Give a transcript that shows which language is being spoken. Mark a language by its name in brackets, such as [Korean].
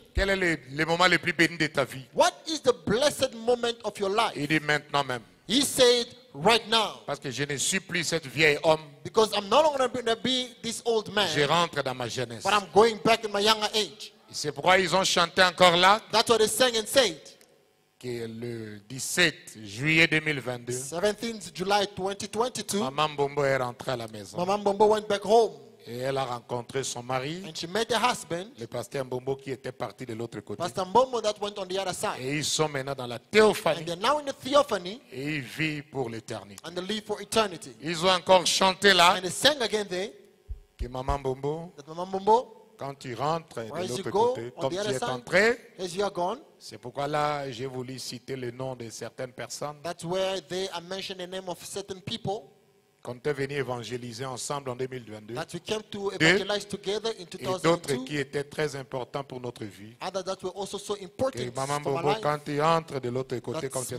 [French] quel est le moment le plus béni de ta vie? [English] What is the blessed moment of your life? [French] Il dit maintenant même. [English] He said right now. [French] Parce que je ne suis plus cette vieille homme. [English] Because I'm no longer going to be this old man. [French] Je rentre dans ma jeunesse. [English] But I'm going back in my younger age. [French] Et c'est pourquoi ils ont chanté encore là. [English] That's what they sang and said. [French] Que le 17 juillet 2022. [English] 17th July 2022. [French] Maman Bombo est rentrée à la maison. [English] Maman Bombo went back home. [French] Et elle a rencontré son mari, [English] and she met her husband, [French] le pasteur Mbombo qui était parti de l'autre côté. [English] Pastor Mbombo that went on the other side. [French] Et ils sont maintenant dans la théophanie. [English] And they're now in the theophany. [French] Et ils vivent pour l'éternité. [English] And they live for eternity. [French] Ils ont encore chanté là. [English] And they sang again there. [French] Que Maman Mbombo, [English] that Maman Mbombo, [French] quand tu rentres de l'autre côté, comme tu es entré, [English] as you are gone. [French] C'est pourquoi là, j'ai voulu citer le nom de certaines personnes. [English] That's where they are mentioned the name of certain people. [French] Quand on est venu évangéliser ensemble en 2022, [English] that we came to evangelize together in 2002, [French] et d'autres qui étaient très importants pour notre vie, [English] that were also so important [French] que Maman Mbombo, quand tu entres de l'autre côté, comme tu es